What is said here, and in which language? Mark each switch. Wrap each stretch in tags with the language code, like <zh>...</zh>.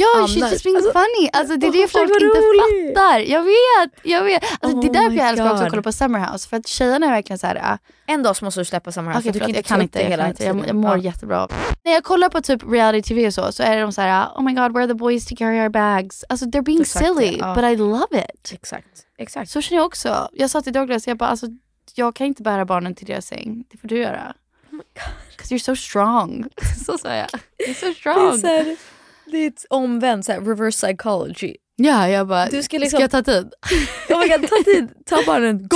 <en>Ja, she's just being funny.</en> <sv>Alltså det är det folk inte fattar. Jag vet. Alltså det är därför jag älskar också att kolla på Summer House. För att tjejerna är verkligen så här. En dag så måste du släppa Summer House. Okej, jag kan inte. Jag mår jättebra. När jag kollar på typ reality TV och så är de så här,</sv> <en>oh my god, where are the boys to carry our bags? Alltså they're being silly, but I love it.</en> <sv>Exakt. Så känner jag också. Jag sa till Douglas, jag bara, alltså jag kan inte bära barnen till deras säng. Det får du göra.</sv> <en>Because you're so strong.</en> <sv>Så säger jag.</sv> <en>You're so strong.</en> <sv>Det är ett omvänt, såhär,</sv> <en>reverse psychology.</en> <sv>Ja, jag bara, du ska, liksom, ska jag ta tid? Oh my god, ta tid. Ta barnen, gå.</sv>